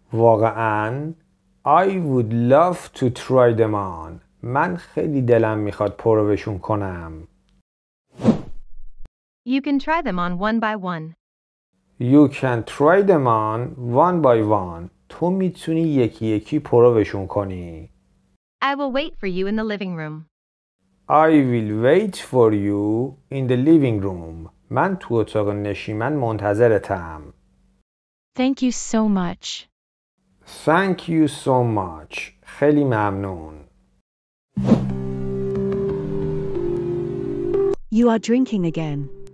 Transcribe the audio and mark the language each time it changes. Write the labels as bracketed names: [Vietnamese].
[Persian] واقعاً؟ [English] I would love to try them on. [Persian] من خیلی دلم میخواد پروشون کنم. [English] You can try them on one by one. You can try them on one by one. [Persian] تو میتونی یکی یکی پروشون کنی. [English] I will wait for you in the living room. I will wait for you in the living room. [Persian] من تو اتاق نشیمن منتظرتم. [English] Thank you so much. Thank you so much. [Persian] خیلی ممنون. [English] You are drinking again.